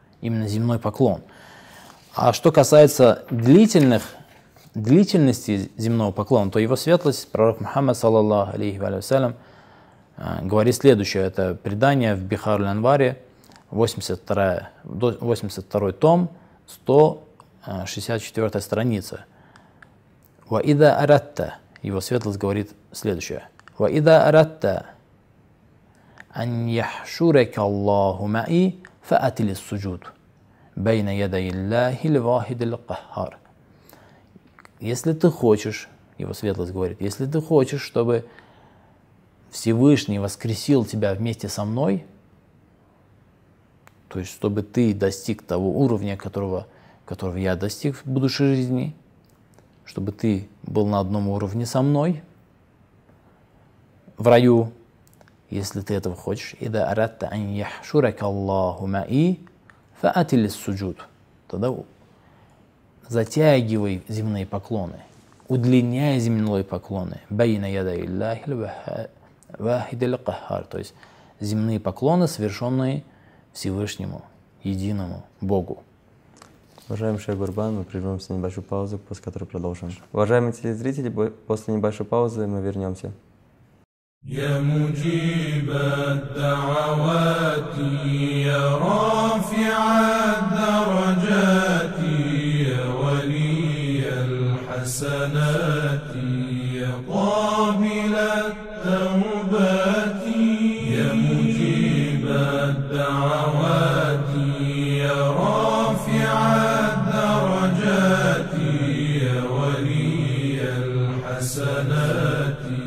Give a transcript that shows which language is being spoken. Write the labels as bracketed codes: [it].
[ru] Именно земной поклон. А что касается длительности земного поклона, то его светлость, пророк Мухаммад, саллаллаху алейхи ва саллям, говорит следующее. Это предание в Бихар-ль-Анваре, 82 том, 164 страница. [ar] «Ва ида аратта», [ru] его светлость говорит следующее. «Ва ида аратта, [ar] أن يحشرك الله معي فأتل السجود بين يدي الله الواحد القهار. [ru] Если ты хочешь, его светлость говорит, если ты хочешь, чтобы Всевышний воскресил тебя вместе со мной, то есть чтобы ты достиг того уровня, которого я достиг в будущей жизни, чтобы ты был на одном уровне со мной в раю, если ты этого хочешь, [ar] إذا أردت أن يحشرك الله معي فأتي للسجود, [ru] тогда затягивай земные поклоны, удлиняй земные поклоны, [ar] بين يدي الله الواحد القهار, [ru] то есть земные поклоны, совершенные Всевышнему, единому Богу. Уважаемый Шейх Гурбан, мы прервемся на небольшую паузу, после которой продолжим. Уважаемые телезрители, после небольшой паузы мы вернемся. [ar] يا مجيب الدعوات يا رافع الدرجات يا ولي الحسنات يا قابل التوبات يا مجيب الدعوات يا رافع الدرجات يا ولي الحسنات